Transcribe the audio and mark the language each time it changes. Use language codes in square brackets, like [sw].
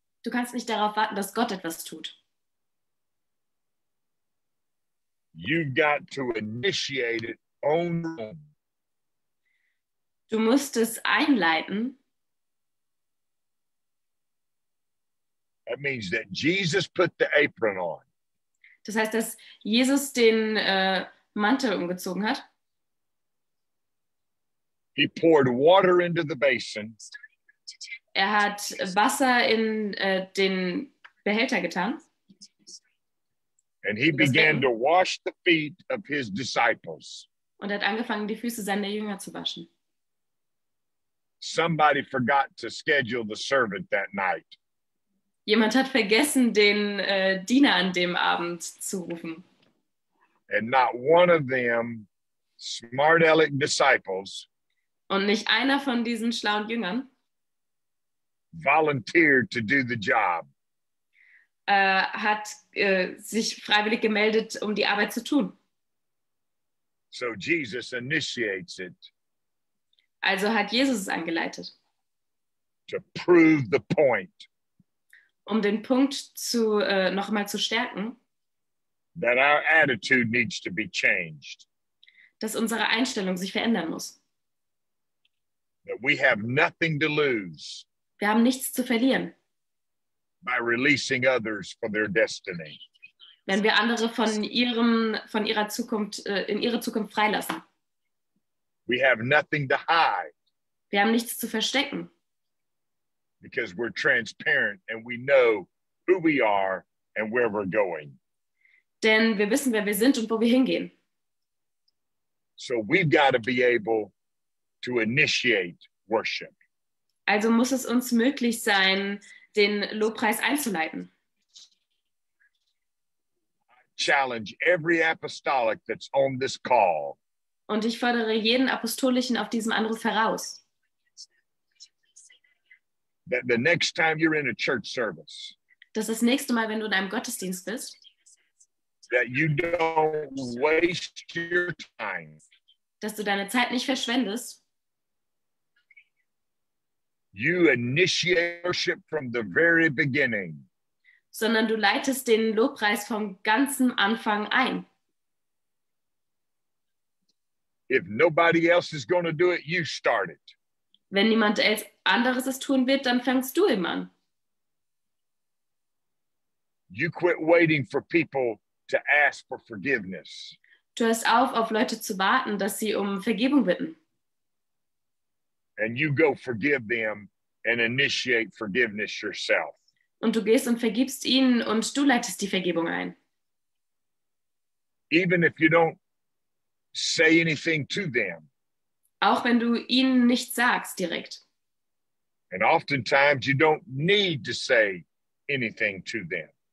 [de] Du kannst nicht darauf warten, dass Gott etwas tut. [en] You've got to initiate it on your own. [de] Du musst es einleiten. [en] That means that Jesus put the apron on. [de] Das heißt, dass Jesus den Mantel umgezogen hat. [en] He poured water into the basin. [de] Er hat Wasser in den Behälter getan. [en] And he began to wash the feet of his disciples. [de] Und hat angefangen, die Füße seiner Jünger zu waschen. [en] Somebody forgot to schedule the servant that night. [de] Jemand hat vergessen, den Diener an dem Abend zu rufen. [en] And not one of them smart aleck disciples. [de] Und nicht einer von diesen schlauen Jüngern. [en] Volunteered to do the job. [de] Hat sich freiwillig gemeldet, um die Arbeit zu tun. [en] So Jesus initiates it. [de] Also hat Jesus es angeleitet. [en] To prove the point. [de] Um den Punkt zu nochmal zu stärken, [en] that our attitude needs to be changed. [de] Dass unsere Einstellung sich verändern muss. [en] That we have nothing to lose. [de] Wir haben nichts zu verlieren. [en] By releasing others for their destiny. [de] Wenn wir andere von ihrer Zukunft in ihre Zukunft freilassen. [en] We have nothing to hide. [de] Wir haben nichts zu verstecken. [en] Because we're transparent and we know who we are and where we're going. [de] Denn wir wissen, wer wir sind und wo wir hingehen. [en] So we've got to be able to initiate worship. [de] Also muss es uns möglich sein, den Lobpreis einzuleiten. [en] I challenge every apostolic that's on this call. [de] Und ich fordere jeden Apostolischen auf diesem Anruf heraus. [en] That the next time you're in a church service, [de] dass das nächste Mal, wenn du in einem Gottesdienst bist, [en] that you don't waste your time, [de] dass du deine Zeit nicht verschwendest, [en] you initiate worship from the very beginning, [de] sondern du leitest den Lobpreis vom ganzen Anfang ein. [en] If nobody else is going to do it, you start it. [de] Wenn niemand anderes es tun wird, dann fängst du ihm an. [en] You quit waiting for people to ask for forgiveness. [de] Du hörst auf Leute zu warten, dass sie um Vergebung bitten. [en] And you go forgive them and initiate forgiveness yourself. [de] Und du gehst und vergibst ihnen und du leitest die Vergebung ein. [en] Even if you don't say anything to them. [de] Auch wenn du ihnen nichts sagst direkt. [en] And oftentimes you don't need to say anything to them.